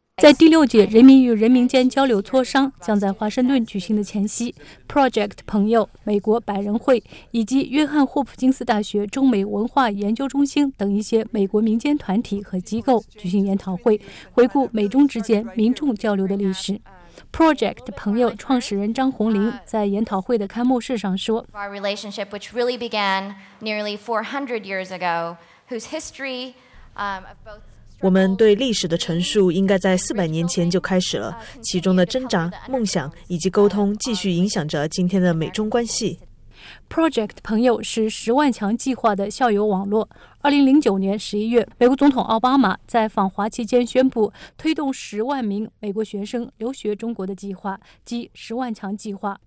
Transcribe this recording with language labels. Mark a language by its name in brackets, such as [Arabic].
[Chinese] 在第6届人民与人民间交流磋商将在华盛顿举行的前夕， Project 朋友、美国百人会以及约翰霍普金斯大学中美文化研究中心等一些美国民间团体和机构举行研讨会，回顾美中之间民众交流的历史。 Project 朋友创始人张红林在研讨会的开幕式上说 [English] Our relationship which really began nearly 400 years ago, whose history of both [Chinese] 我们对历史的陈述应该在400年前就开始了，其中的挣扎、梦想以及沟通继续影响着今天的美中关系。 Project 朋友是10万强计划的校友网络。 2009年11月，美国总统奥巴马在访华期间宣布推动10万名美国学生留学中国的计划，即10万强计划。